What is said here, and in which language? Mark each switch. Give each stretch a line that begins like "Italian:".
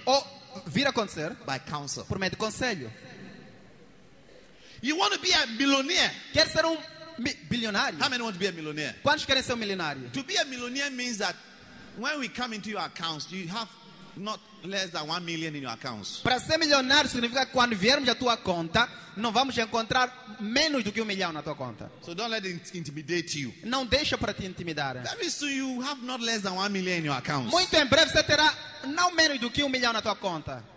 Portuguese: ou vir acontecer,
English: by counsel,
Portuguese: por meio de conselho.
English: You want to be a millionaire?
Portuguese: Quer ser bilionário?
English: How many want to be a millionaire?
Portuguese: Quantos querem ser milionário?
English: To be a millionaire means that when we come into your accounts, you have not less than 1 million in your accounts.
Portuguese: Para ser milionário significa que quando viermos à tua conta, não vamos encontrar menos do que 1 milhão na tua conta.
English: So don't let it intimidate you.
Portuguese: Não deixa para te intimidar.
English: That means so you have not less than 1 million in your accounts.
Portuguese: Muito em breve você terá não menos do que 1 milhão na tua conta.